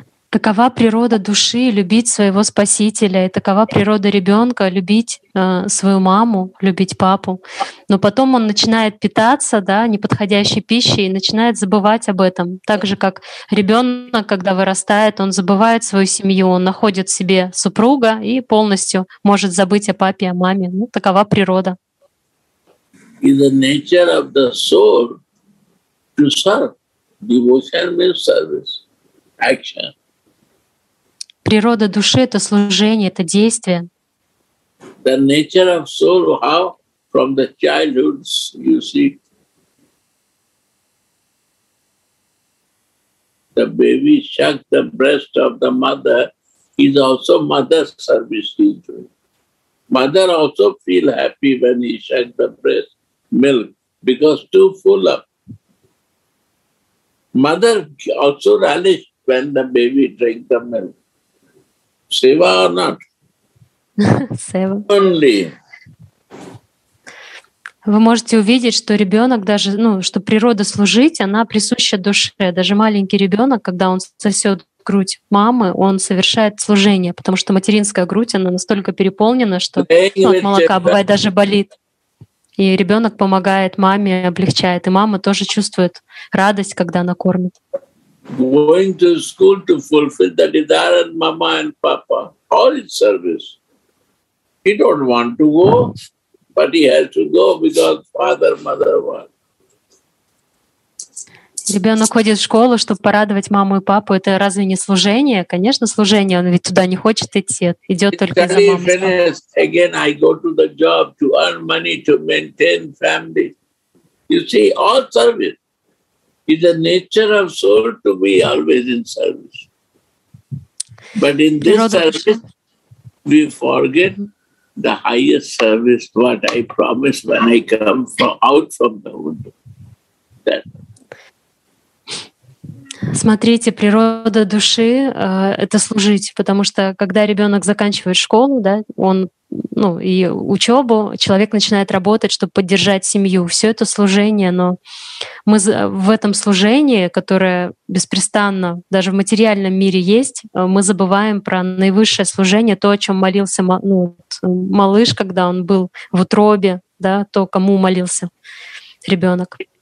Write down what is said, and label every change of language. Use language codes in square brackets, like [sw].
[ru] Такова природа души – любить своего Спасителя. И такова природа ребенка – любить свою маму, любить папу. Но потом он начинает питаться, да, неподходящей пищей, и начинает забывать об этом. Так же, как ребенок, когда вырастает, он забывает свою семью, он находит себе супруга и полностью может забыть о папе, о маме. Ну, такова природа. [en] In the nature of the soul to serve, devotion means service, action. [ru] Природа души — это служение, это действие. [en] The nature of soul, how? From the childhood, you see. The baby shucks the breast of the mother, is also mother's service he's doing. Mother also feel happy when he shucks the breast milk, because too full up. Mother also relish when the baby drink the milk. Seva or not? [hi] Seva. [en] Only. [ru] Вы можете увидеть, что ребенок даже, ну, что природа служить, она присуща душе. Даже маленький ребенок, когда он сосет грудь мамы, он совершает служение, потому что материнская грудь, она настолько переполнена, что от молока бывает даже болит. И ребенок помогает маме, облегчает. И мама тоже чувствует радость, когда она кормит. [en] Going to school to fulfill the desire of mama and papa, all his service. He don't want to go, but he has to go because father, mother want. [ru] Ребенок ходит в школу, чтобы порадовать маму и папу. Это разве не служение? Конечно, служение. Он ведь туда не хочет идти. Идет только за мамой и папой. [en] Again, I go to the job to earn money to maintain family. You see, all service. It's the nature of soul to be always in service. But in this service, we forget the highest service, what I promised when I come out from the womb. That. [ru] Смотрите, природа души это служить, потому что когда ребенок заканчивает школу, да, он, ну, и учебу, человек начинает работать, чтобы поддержать семью. Все это служение, но мы в этом служении, которое беспрестанно даже в материальном мире есть, мы забываем про наивысшее служение, то, о чем молился малыш, когда он был в утробе, да, то, кому молился ребенок.